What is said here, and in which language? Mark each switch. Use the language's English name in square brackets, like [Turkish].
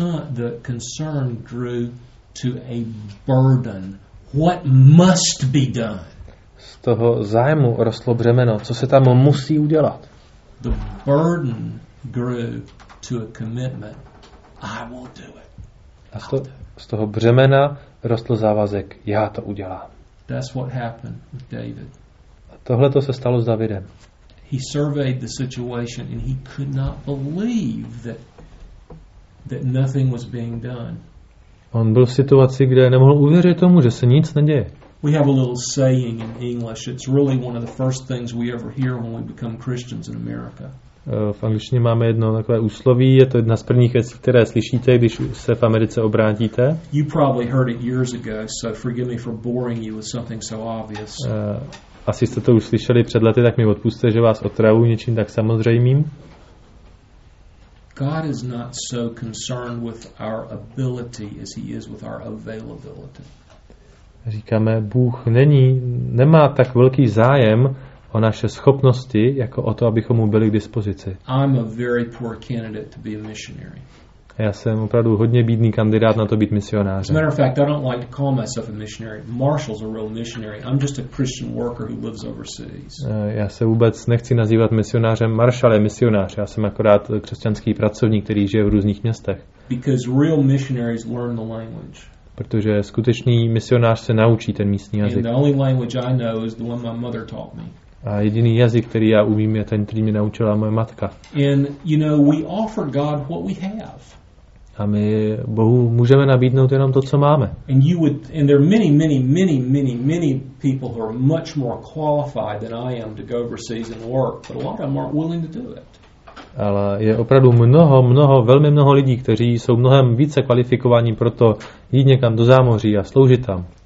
[English] The concern grew to a burden. What must be done? [Czech] Z toho zájmu rostlo břemeno. Co se tam musí udělat? [English] The burden grew to a commitment. I will do it. [Czech] A z toho břemena rostl závazek. Já to udělám. [English] That's what happened with David. [Czech] A tohle to se stalo s Davidem. [English] He surveyed the situation and he could not believe that nothing was being done. [Czech] On byl v situaci, kde nemohl uvěřit tomu, že se nic neděje. [English] We have a little saying in English. It's really one of the first things we ever hear when we become Christians in America. [Czech] V angličtině máme jedno takové úsloví, je to jedna z prvních věcí, které slyšíte, když se v Americe obrátíte. [English] You probably heard it years ago, so forgive me for boring you with something so obvious. [Czech] Asi jste to už slyšeli před lety, tak mi odpusťte, že vás otravuji něčím tak samozřejmým. [English] God is not so concerned with our ability as he is with our availability. [Czech] Říkáme, Bůh nemá tak velký zájem o naše schopnosti, jako o to, abychom mu byli k dispozici. [English] I'm a very poor candidate to be a missionary. [Czech] Já jsem opravdu hodně bídný kandidát na to být misionářem. [English] As a matter of fact, I don't like to call myself a missionary. Marshall's a real missionary. I'm just a Christian worker who lives overseas. [Czech] Já se vůbec nechci nazývat misionářem. Marshall je misionář. Já jsem akorát křesťanský pracovník, který žije v různých městech. [English] Because real missionaries learn the language. [Czech] Protože skutečný misionář se naučí ten místní jazyk. [English] And the only language I know is the one my mother taught me. [Czech] A jediný jazyk, který já umím, je ten, který mě naučila moje matka. [English] And, you know, we offer God what we have. [Czech] A my Bohu můžeme nabídnout jenom to, co máme. [English] And you would, and there are many, many, many, many, many people who are much more qualified than I am to go overseas and work, but a lot of them aren't willing to do it. [Czech] Ale je opravdu mnoho, mnoho, velmi mnoho lidí, kteří jsou mnohem více kvalifikovaní pro to jít někam do zámoří a sloužit tam.